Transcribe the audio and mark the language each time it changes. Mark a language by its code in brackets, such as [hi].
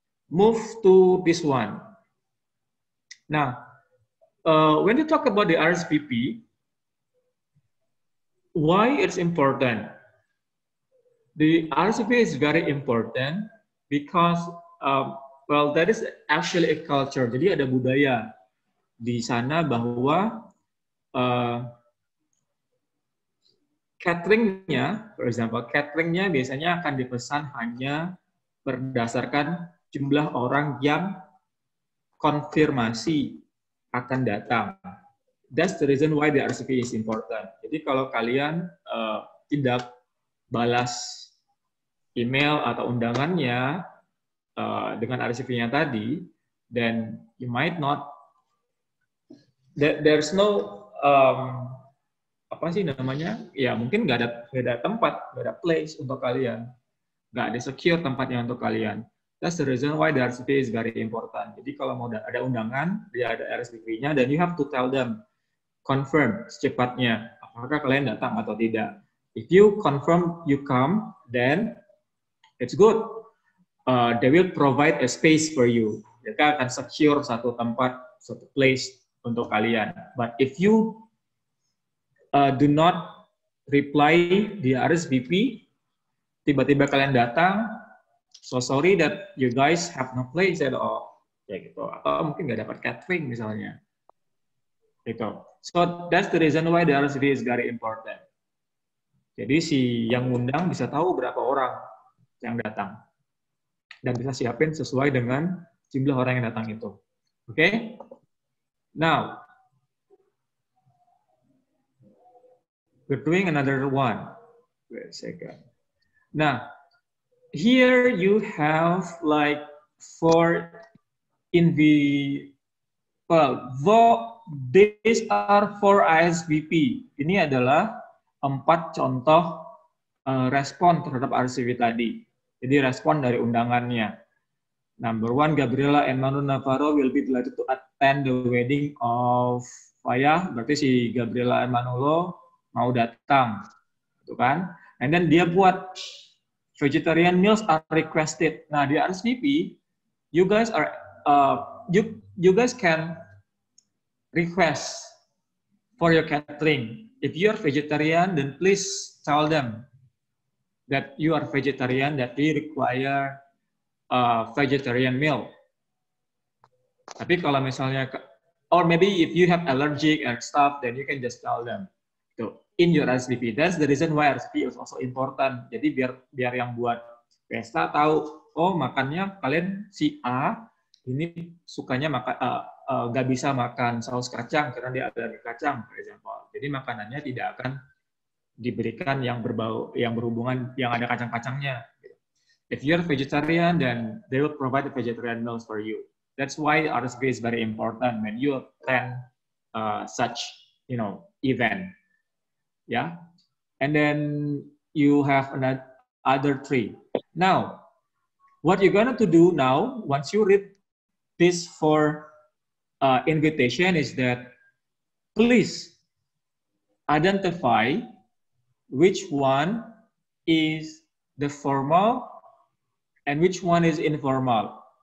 [en] Move to this one. Now, when you talk about the RSVP, why it's important? The RSVP is very important because, well, that is actually a culture. [id] Jadi ada budaya di sana bahwa cateringnya, [en] for example, [id] cateringnya biasanya akan dipesan hanya berdasarkan jumlah orang yang konfirmasi akan datang. [en] That's the reason why the RSVP is important. [id] Jadi kalau kalian tidak balas email atau undangannya dengan RSVP-nya tadi, [en] then you might not. There's no [id] apa sih namanya? Ya mungkin nggak ada tempat, nggak ada place untuk kalian, nggak ada secure tempatnya untuk kalian. [en] That's the reason why the RSVP is very important. [id] Jadi kalau mau ada undangan, dia ada RSVP-nya, [en] then you have to tell them, [id] confirm secepatnya, apakah kalian datang atau tidak. [en] If you confirm you come, then it's good. They will provide a space for you. [id] Mereka akan secure satu tempat, satu place untuk kalian. [en] But if you do not reply the RSVP, [id] tiba-tiba kalian datang, [en] so sorry that you guys have no place at all. [id] Ya gitu. Atau mungkin gak dapat catering misalnya. Gitu. [en] So that's the reason why the RSVP is very important. [id] Jadi si yang undang bisa tahu berapa orang yang datang. Dan bisa siapin sesuai dengan jumlah orang yang datang itu. [en] Oke? Okay? Now, we're doing another one. Wait a second. Nah, here you have like four these are four RSVP. [id] Ini adalah empat contoh respon terhadap RSVP tadi. Jadi respon dari undangannya. [en] Number one, Gabriela and Manu Navarro will be delighted to attend the wedding of Fayah. [id] Berarti si Gabriela and Manolo mau datang. Itu kan? [en] And then [id] dia buat [en] vegetarian meals are requested. Nah, di RSVP, you guys are you guys can request for your catering. If you are vegetarian, then please tell them that you are vegetarian, that we require a vegetarian meal. [id] Tapi kalau misalnya, [en] or maybe if you have allergic and stuff, then you can just tell them. So, in your RSVP, that's the reason why RSVP is also important. [id] Jadi biar yang buat pesta tahu, oh makannya kalian si A, ini sukanya makan, gak bisa makan saus kacang, karena dia ada kacang, [en] for example. [id] Jadi makanannya tidak akan diberikan yang berbau, yang berhubungan, yang ada kacang-kacangnya. [en] If you're vegetarian, then they will provide the vegetarian meals for you. That's why RSVP is very important when you attend such, you know, event. Yeah? And then you have another three. Now, what you're gonna to do now, once you read this for invitation, is that please identify which one is the formal and which one is informal.